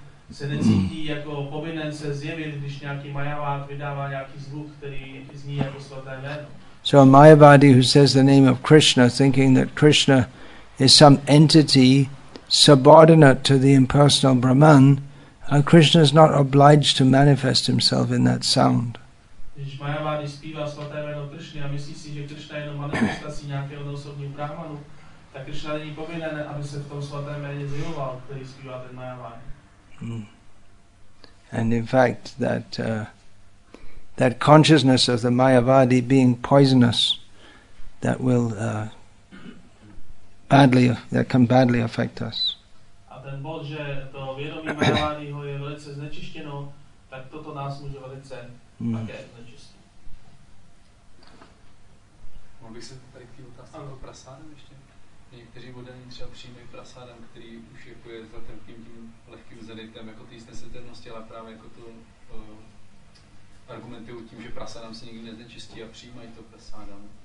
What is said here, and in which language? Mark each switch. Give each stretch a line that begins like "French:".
Czech: Se necítí jako povinen se zjevit, když nějaký majavád vydává nějaký zvuk, který zní jako svaté jméno.
English: So a mayavadi who says the name of Krishna, thinking that Krishna is some entity subordinate to the impersonal Brahman, and Krishna is not obliged to manifest himself in that sound.
Czech: Když mayavadi zpívá svaté jméno Krishna a myslí si, že Krishna je jenom manifestací nějakého osobního Brahmanu, tak Krishna není povinen, aby se v tom svaté jméně zjevoval, který zpívá ten mayavadi.
English: And in fact, that that consciousness of the Mayavadi being poisonous, that will badly, that can badly affect us.
Czech: A ten bod, že to vědomí Mayavadiho je velice znečištěno, tak toto nás může velice také znečistit. Mohl bych se tady k tým otázkám o prasádem ještě? Někteří budení třeba přijímají prasádem, který už jako je za ten tím lehkým zenitem, jako ty snesitelnosti, ale právě jako to argumentují tím, že prasádam se nikdy nezečistí a přijímají to prasádam.